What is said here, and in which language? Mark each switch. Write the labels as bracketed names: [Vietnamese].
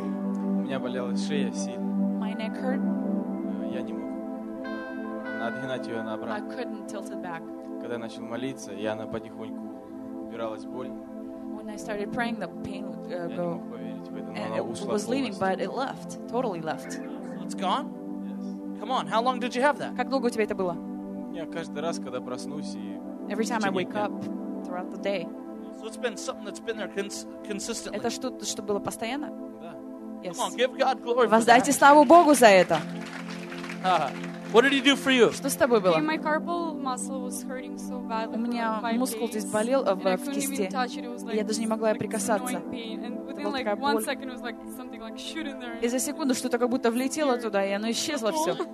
[Russian] У меня болела шея сильно. [English] My neck hurt. [Russian] Я не мог. Надо гнать ее на обратно. [English] I couldn't tilt it back. [Russian] Когда я начал молиться, и она потихоньку убиралась боль. [English] When I started praying, the pain would go. [Russian] Я не мог поверить в это, но [English] and [Russian] она ушла. [English] It was leaving, but it left. Totally left. It's gone? Yes. Come on, how long did you have that? [Russian] Как долго у тебя это было? Я каждый раз, когда проснусь и. [English] Every time I wake up throughout the day. So it's been something that's been there consistently. [Russian] Это что-то, что было постоянно? Да. [English] Yes. Come on, give God glory. [Russian] Воздайте славу Богу за это. [English] What did he do for you? [Russian] Что с тобой было? [English] My carpal muscle was hurting so badly. [Russian] У меня мускул здесь болел в кисти. Я даже не могла его прикасаться. И за секунду что-то как будто влетело туда, и оно исчезло все.